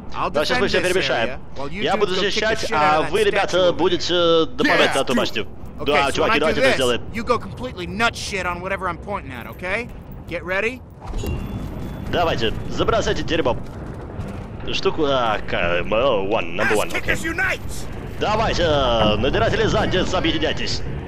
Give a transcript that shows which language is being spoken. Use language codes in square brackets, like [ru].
[ru] Да, сейчас мы все перемешаем. Я буду защищать, а вы, ребята, будете добавлять на ту башню. Да, чуваки, давайте это сделаем. [en] You go completely nut shit on whatever I'm pointing at, okay? Get ready? [ru] Давайте, забросайте дерьмо. [en] Штуку, one, number one, okay. [ru] Давайте, надиратели задниц, объединяйтесь.